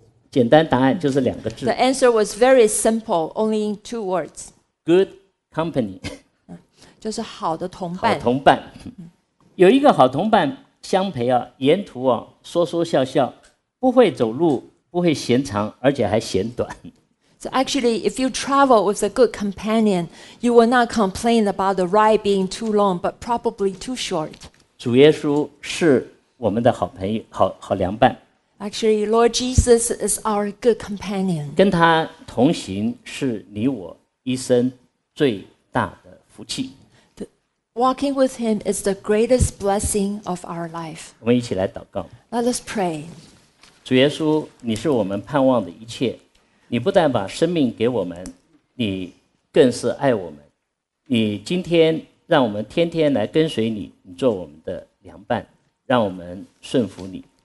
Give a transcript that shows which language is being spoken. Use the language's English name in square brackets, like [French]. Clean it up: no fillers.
[Chinese] 简单答案就是两个字。 [English] The answer was very simple, only in two words. Good company. [Chinese] 就是好的同伴，好同伴，有一个好同伴相陪啊，沿途啊说说笑笑，不会走路，不会嫌长，而且还嫌短。 [English] So actually, if you travel with a good companion, you will not complain about the ride being too long, but probably too short. [Chinese] 主耶稣是我们的好朋友，好良伴。 [English] Actually, Lord Jesus is our good companion. [Chinese] 跟他同行是你我一生最大的福气。 [English] Walking with him is the greatest blessing of our life. [Chinese] 我们一起来祷告。 [English] Let us pray. [Chinese] 主耶稣，你是我们盼望的一切。你不但把生命给我们，你更是爱我们。你今天让我们天天来跟随你，你做我们的良伴，让我们顺服你。